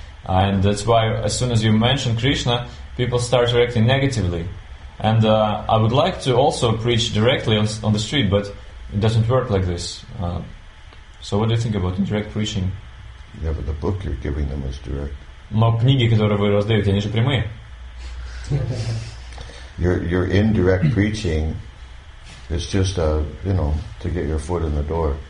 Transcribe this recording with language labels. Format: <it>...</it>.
<en>And that's why as soon as you mention Krishna, people start reacting negatively. And I would like to also preach directly on the street, but it doesn't work like this. So what do you think about indirect preaching? Yeah, but the book you're giving them is direct.</en> <ru>Но книги, которые вы раздаете, они же прямые.</ru> <en>Your indirect preaching is just to get your foot in the door.</en>